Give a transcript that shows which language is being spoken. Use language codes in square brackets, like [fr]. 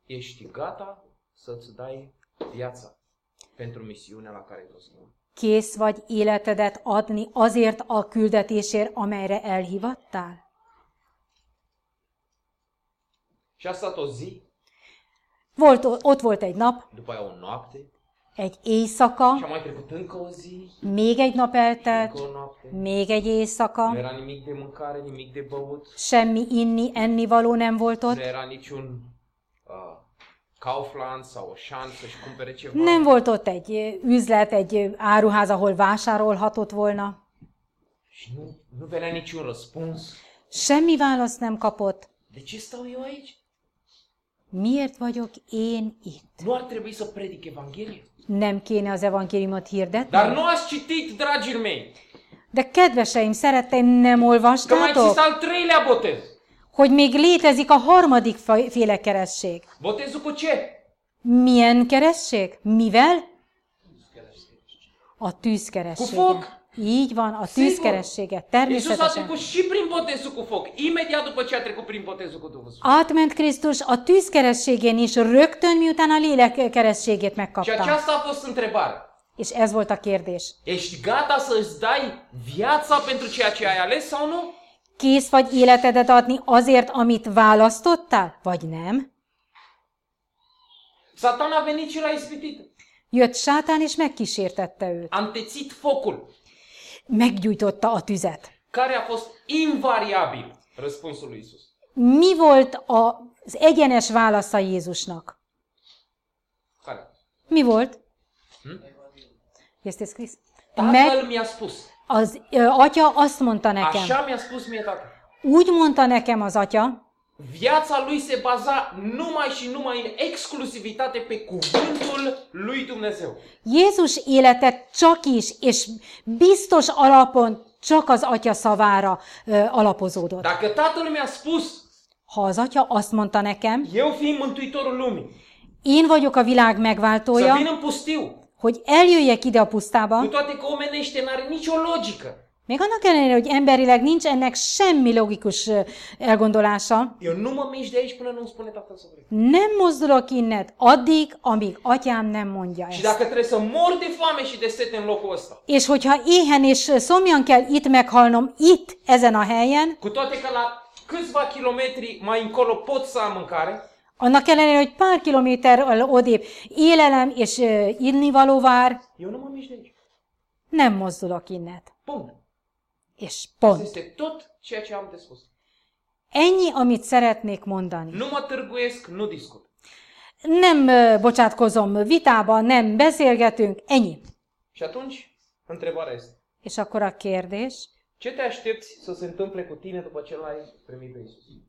[ro] Ești gata să-ți dai viața? Pentru misiunea la care [hu] kész vagy életedet adni azért a küldetésért, amelyre elhivattál? [ro] Și a stat o zi. [hu] Volt, ott volt egy nap. [ro] După aia o noapte. [hu] Egy éjszaka. [ro] Și a mai trecut încă o zi. [hu] Még egy nap eltelt. Még egy éjszaka. [ro] Nu era nimic de mâncare, nimic de băut. [hu] Semmi inni, ennivaló nem volt ott. [ro] Nu era niciun... Kaufland, sau Auchan, să și cumpere ceva. [hu] Nem volt ott egy üzlet, egy áruház, ahol vásárolhatott volna. [ro] Și nu venea niciun răspuns. [hu] Semmi választ nem kapott. [ro] De ce stau eu aici? [hu] Miért vagyok én itt? [ro] Nu ar trebui să predic Evanghelia? [hu] Nem kéne az evangéliumot hirdetni? [ro] Dar nu ați citit, dragii mei! [hu] De kedveseim, szeretteim, nem olvastátok? [ro] Că mai există al treilea botez! [hu] Hogy még létezik a harmadik féle keresség. [ro] Botezul cu ce? [hu] Milyen keresség? Mivel? A tűzkeresség. [ro] Cu foc? [hu] Így van, a tűzkeressége. Természetesen. [ro] Iisus a trecut și prin botezul cu foc, imediat după ce a trecut prin botezul cu Duhul Sfânt. [hu] Átment Krisztus a tűzkerességén is rögtön, miután a lélek keresztségét megkapta. [ro] Și aceasta a fost întrebare. [hu] És ez volt a kérdés. [ro] Ești gata să-ți dai viața pentru ceea ce ai ales sau nu? [hu] Kész vagy életedet adni azért, amit választottál, vagy nem? [ro] Satan a venit și l-a ispitit. [hu] Jött Sátán és megkísértette őt. [ro] Antețit focul. [hu] Meggyújtotta a tüzet. [ro] Care a fost invariabil răspunsul lui Iisus? [hu] Mi volt az egyenes válasza Jézusnak? [ro] Care? [hu] Mi volt? [ro] Este scris? Tatăl mi-a spus. [hu] Az atya azt mondta nekem. [ro] Așa mi-a spus mie tata. [hu] Úgy mondta nekem az atya. [ro] Viața lui se baza numai și numai în exclusivitate pe cuvântul lui Dumnezeu. [hu] Jézus élete csak is és biztos alapon csak az atya szavára alapozódott. [ro] Dacă tatăl mi-a spus. [hu] Ha az atya azt mondta nekem. [ro] Eu fiind mântuitorul lumii. [hu] Én vagyok a világ megváltója. [ro] Să vin în pustiu. [hu] Hogy eljöjjek ide a pusztába. [ro] Cu toate că omenește n-are nicio logică. [hu] Még annak ellenére, hogy emberileg nincs ennek semmi logikus elgondolása. [ro] Eu nu mă mișc de aici până nu-mi spune tatăl să plec. [hu] Nem mozdulok innet addig, amíg atyám nem mondja ezt. [ro] Și dacă trebuie să mor de foame și de sete în locul ăsta. [hu] És hogyha éhen és szomjan kell itt meghalnom, itt, ezen a helyen. [ro] Cu toate că la câțiva kilometri mai încolo pot să am mâncare. [hu] Annak ellenére, hogy pár kilométerrel odébb élelem és innivaló vár, nem mozdulok innet. [ro] Pont. [hu] És pont. [ro] Ez tot ceea ce am de spus. [hu] Ennyi, amit szeretnék mondani. [ro] Nu mă târguiesc, nu discut. [hu] Nem bocsátkozom vitába, nem beszélgetünk, ennyi. [ro] Și atunci, întrebarea este. [hu] És akkor a kérdés. [ro] Ce te aștepți să se întâmple cu tine după ce l-ai primit pe Iisus?